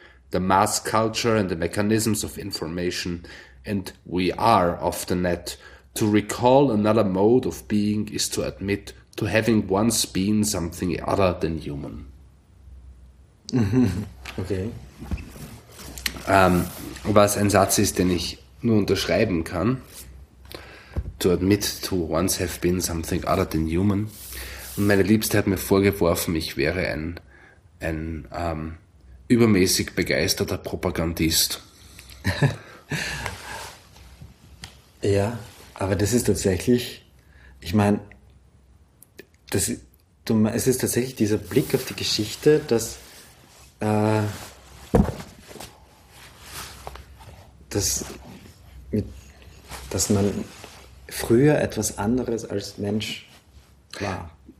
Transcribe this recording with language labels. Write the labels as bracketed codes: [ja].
[en] The mass culture and the mechanisms of information, and we are of the net. To recall another mode of being is to admit to having once been something other than human. Okay. [de] Was ein Satz ist, den ich nur unterschreiben kann. [en] To admit to once have been something other than human. [de] Und meine Liebste hat mir vorgeworfen, ich wäre ein übermäßig begeisterter Propagandist. Ja, aber das ist tatsächlich, ich meine, es ist tatsächlich dieser Blick auf die Geschichte, dass dass man früher etwas anderes als Mensch war.